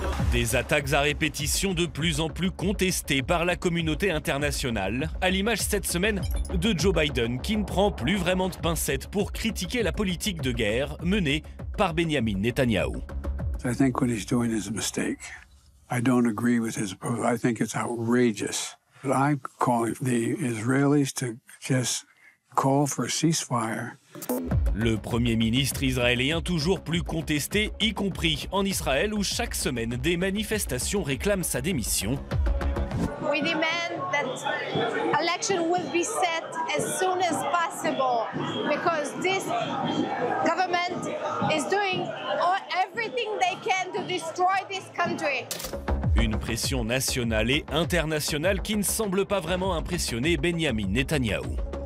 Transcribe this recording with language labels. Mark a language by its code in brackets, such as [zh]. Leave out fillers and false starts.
[fr] Des attaques à répétition de plus en plus contestées par la communauté internationale, à l'image cette semaine de Joe Biden qui ne prend plus vraiment de pincettes pour critiquer la politique de guerre menée par Benjamin Netanyahu. Je pense que ce qu'il fait est une erreur. Je ne suis pas d'accord avec son propos. Je pense que c'est outrageous. [en] I'm calling the Israelis to just call for a ceasefire. [fr] Le premier ministre israélien toujours plus contesté, y compris en Israël, où chaque semaine des manifestations réclament sa démission. [en] We demand that election will be set as soon as possible because this government is doing everything they can to destroy this country. [fr] Une pression nationale et internationale qui ne semble pas vraiment impressionner Benjamin Netanyahou.